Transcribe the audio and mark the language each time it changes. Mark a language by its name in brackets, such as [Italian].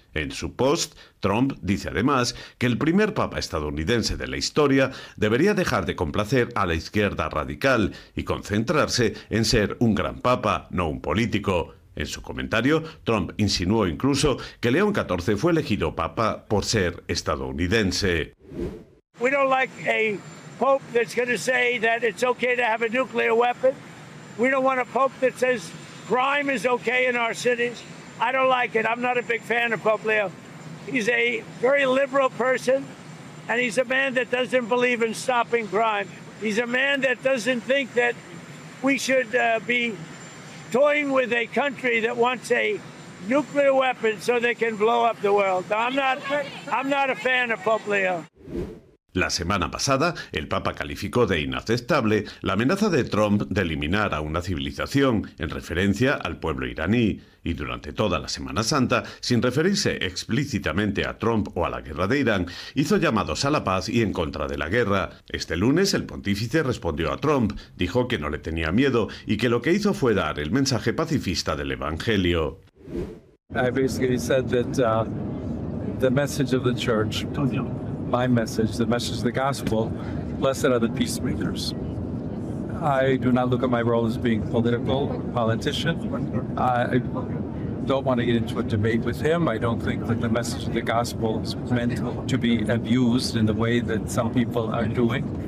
[Spanish] En su post, Trump dice además que el primer Papa estadounidense de la historia debería dejar de complacer a la izquierda radical y concentrarse en ser un gran Papa, no un político. En su comentario, Trump insinuó incluso que León XIV fue elegido papa por ser estadounidense. [English] We don't like a pope that's going to say that it's okay to have a nuclear weapon. We don't want a pope that says crime is okay in our cities. I don't like it. I'm not a big fan of Pope Leo. He's a very liberal person, and he's a man that doesn't believe in stopping crime. He's a man that doesn't think that we should be toying with a country that wants a nuclear weapon so they can blow up the world. I'm not a fan of Pope Leo. [Spanish] La semana pasada, el Papa calificó de inaceptable la amenaza de Trump de eliminar a una civilización en referencia al pueblo iraní. Y durante toda la Semana Santa, sin referirse explícitamente a Trump o a la guerra de Irán, hizo llamados a la paz y en contra de la guerra. Este lunes, el pontífice respondió a Trump, dijo que no le tenía miedo y que lo que hizo fue dar el mensaje pacifista del Evangelio. [English] I basically said that the message of the church, my message, the message of the gospel, blessed are the peacemakers. I do not look at my role as being political, politician. I don't want to get into a debate with him. I don't think that the message of the gospel is meant to be abused in the way that some people are doing.